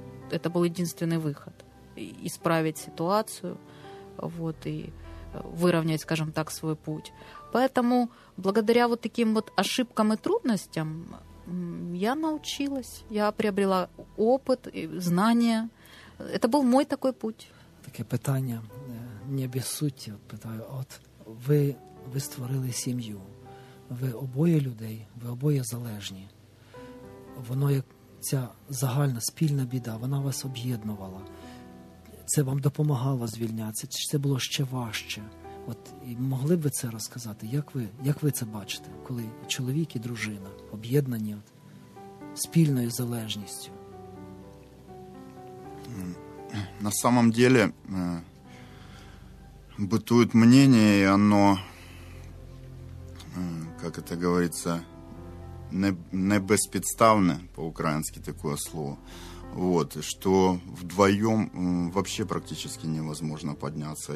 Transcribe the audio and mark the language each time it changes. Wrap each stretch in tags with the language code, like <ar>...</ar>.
<ru>Это был единственный выход. Исправить ситуацию, вот, и выровнять, скажем так, свой путь. Поэтому благодаря вот таким вот ошибкам и трудностям я научилась, я приобрела опыт, знания. Это был мой такой путь.</ru> <uk>Таке питання,</uk> <ru>не обессудьте, вот</ru> <uk>питаю. От ви створили сім'ю, ви обоє людей, ви обоє залежні. Воно, як ця загальна, спільна біда, вона вас об'єднувала. Це вам допомагало звільнятися? Чи це було ще важче? От, і могли б ви це розказати? Як ви це бачите, коли чоловік і дружина об'єднані от, спільною залежністю?</uk> <ru>На самом деле бытует мнение, и оно, как это говорится,</ru> <uk>не беспідставне,</uk> <ru>по-украински такое слово, вот, что вдвоем вообще практически невозможно подняться.</ru>